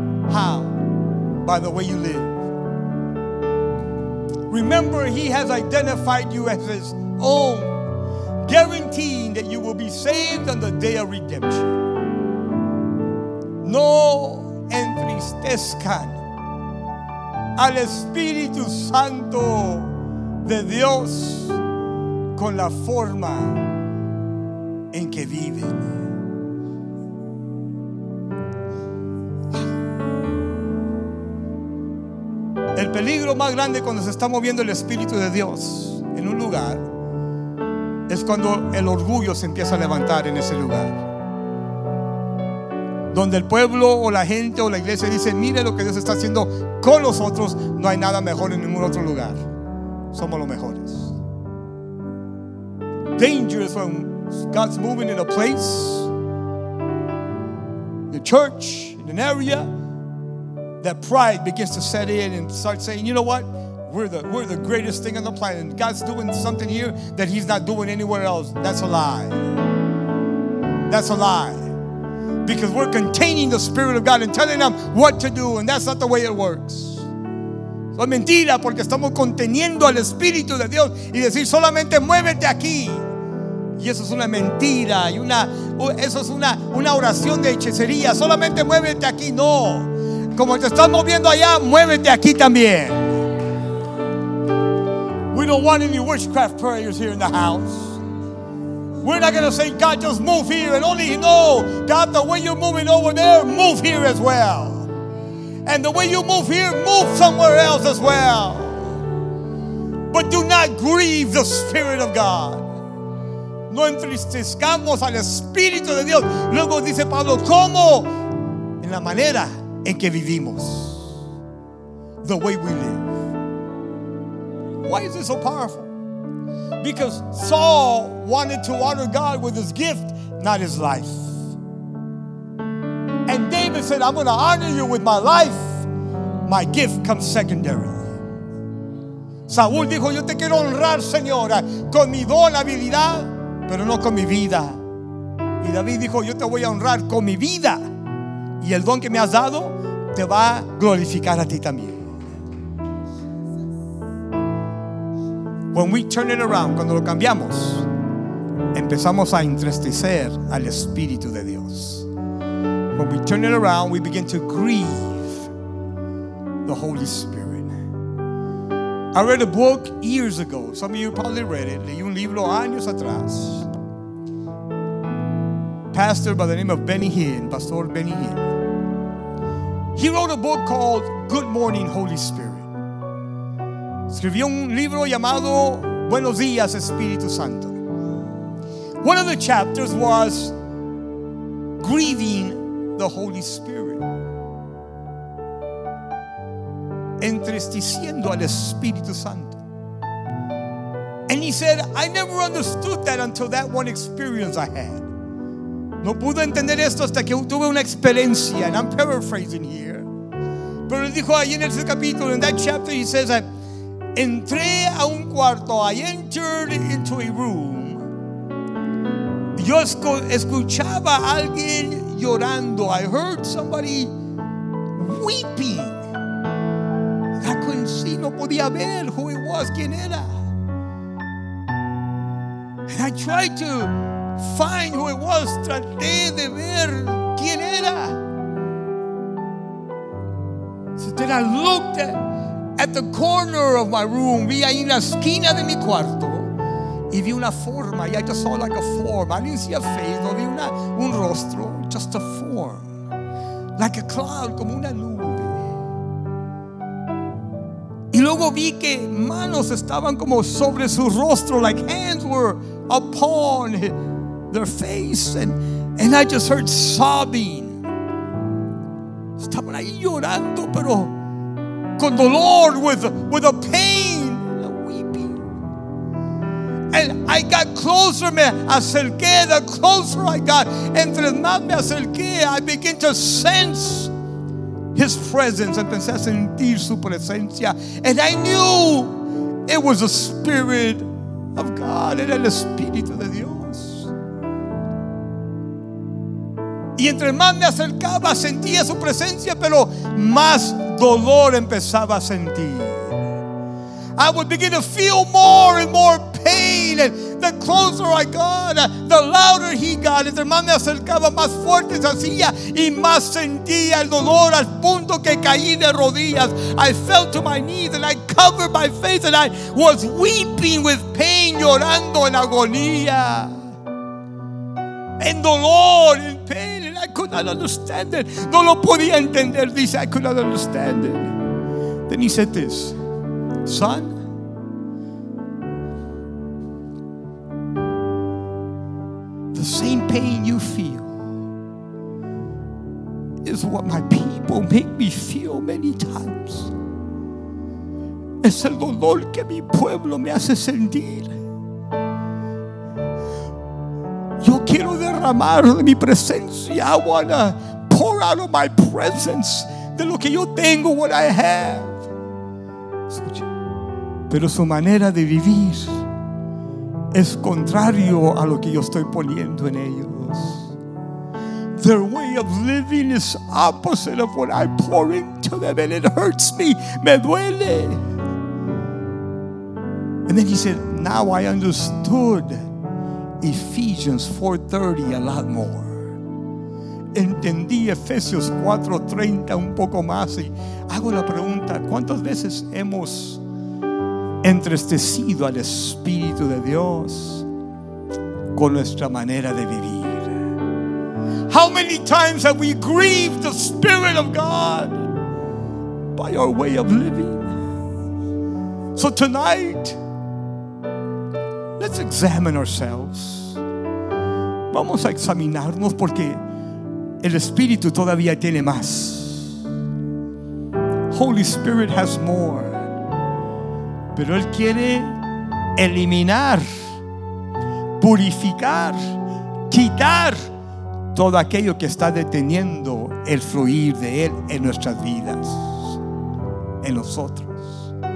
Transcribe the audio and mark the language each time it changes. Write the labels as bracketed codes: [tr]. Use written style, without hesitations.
[en] How? By the way you live. Remember, he has identified you as his own, guaranteeing that you will be saved on the day of redemption. [es] No entristezcan al Espíritu Santo de Dios con la forma en que viven. El peligro más grande cuando se está moviendo el Espíritu de Dios en un lugar es cuando el orgullo se empieza a levantar en ese lugar, donde el pueblo o la gente o la iglesia dice, mire lo que Dios está haciendo con nosotros, no hay nada mejor en ningún otro lugar, somos los mejores. [en] Dangerous when God's moving in a place, the church, in an area, that pride begins to set in and start saying, you know what, we're the greatest thing on the planet, God's doing something here that he's not doing anywhere else. That's a lie. Because we're containing the Spirit of God and telling them what to do, and that's not the way it works. [es] Es mentira, porque estamos conteniendo al Espíritu de Dios y decir solamente muévete aquí. Y eso es una mentira, y eso es una oración de hechicería. Solamente muévete aquí, no. Como te estás moviendo allá, muévete aquí también. [en] We don't want any witchcraft prayers here in the house. We're not going to say, God, just move here. And only, no, God, the way you're moving over there, move here as well. And the way you move here, move somewhere else as well. But do not grieve the Spirit of God. [es] No entristezcamos al Espíritu de Dios. Luego dice Pablo, ¿cómo? En la manera en que vivimos. [en] The way we live. Why is it so powerful? Because Saul wanted to honor God with his gift, not his life. And David said, I'm going to honor you with my life. My gift comes secondary. [es] Saúl dijo, yo te quiero honrar, Señor, con mi don, habilidad, pero no con mi vida. Y David dijo, yo te voy a honrar con mi vida. Y el don que me has dado te va a glorificar a ti también. [en] When we turn it around, [es] cuando lo cambiamos, empezamos a entristecer al Espíritu de Dios. [en] When we turn it around, we begin to grieve the Holy Spirit. I read a book years ago. Some of you probably read it. [es] Leí un libro años atrás. [en] Pastor by the name of Benny Hinn, Pastor Benny Hinn. He wrote a book called Good Morning, Holy Spirit. [es] Escribió un libro llamado Buenos Días, Espíritu Santo. [en] One of the chapters was grieving the Holy Spirit. [es] Entristeciendo al Espíritu Santo. [en] And he said, I never understood that until that one experience I had. [es] No pude entender esto hasta que tuve una experiencia. [en] And I'm paraphrasing here. [es] Pero él dijo ahí en ese capítulo, [en] in that chapter, he says that [es] entré a un cuarto. [en] I entered into a room. [es] Yo escuchaba a alguien llorando. [en] I heard somebody weeping. [es] no podía ver [en] who he was, [es] quién era. [en] And I tried to find who it was. [es] Traté de ver quién era. [en] So then I looked at the corner of my room. [es] Vi ahí en la esquina de mi cuarto. Y vi una forma. [en] I just saw like a form. I didn't see a face. [es] No vi un rostro. [en] Just a form. Like a cloud, [es] como una nube. Y luego vi que manos estaban como sobre su rostro. [en] Like hands were upon their face, and I just heard sobbing. [es] Estaban ahí llorando, pero con dolor, [en] with a pain, a weeping. And I got closer, [es] me acerqué, [en] the closer I got, [es] entre más me acerqué, [en] I began to sense his presence. [es] Empecé a sentir su presencia, [en] and I knew it was a spirit of God. [es] Era el Espíritu de Dios. Y entre más me acercaba, sentía su presencia, pero más dolor empezaba a sentir. [en] I would begin to feel more and more pain. And the closer I got, the louder he got. [es] Entre más me acercaba, más fuerte se hacía y más sentía el dolor, al punto que caí de rodillas. [en] I fell to my knees and I covered my face and I was weeping with pain, [es] llorando en agonía, en dolor, en [en] pain. And I could not understand it. [es] No lo podía entender. Dice, [en] I could not understand it. Then he said this: son, the same pain you feel is what my people make me feel many times. [es] Es el dolor que mi pueblo me hace sentir. Yo quiero derramar de mi presencia. [en] I want to pour out of my presence [es] de lo que yo tengo, [en] what I have. [es] Escuche. Pero su manera de vivir es contrario a lo que yo estoy poniendo en ellos. [en] Their way of living is opposite of what I pour into them, and it hurts me. [es] Me duele. [en] And then he said, now I understood Ephesians 4:30 a lot more. [es] Entendí Efesios 4:30 un poco más. Y hago la pregunta, ¿cuántas veces hemos entristecido al Espíritu de Dios con nuestra manera de vivir? [en] How many times have we grieved the Spirit of God by our way of living? So tonight, let's examine ourselves. [es] Vamos a examinarnos, porque el Espíritu todavía tiene más. [en] Holy Spirit has more. [es] Pero Él quiere eliminar, purificar, quitar todo aquello que está deteniendo el fluir de Él en nuestras vidas, en nosotros.